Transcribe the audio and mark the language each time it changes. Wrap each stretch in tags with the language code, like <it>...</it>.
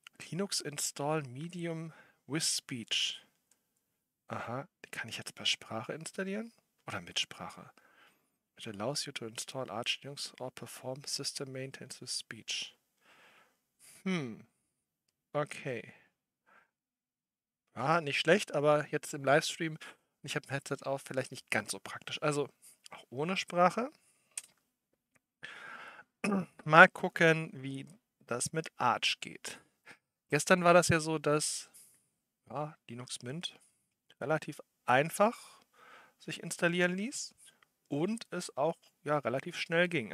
<en>Linux Install Medium with Speech.</en> <de>Aha, die kann ich jetzt per Sprache installieren? Oder mit Sprache?</de> <en>It allows you to install Arch Linux or perform system maintenance with speech.</en> <de>Okay. Ah, nicht schlecht, aber jetzt im Livestream, ich habe ein Headset auf, vielleicht nicht ganz so praktisch. Also, auch ohne Sprache. Mal gucken, wie das mit Arch geht. Gestern war das ja so, dass ja, Linux Mint relativ einfach sich installieren ließ und es auch ja, relativ schnell ging.</de>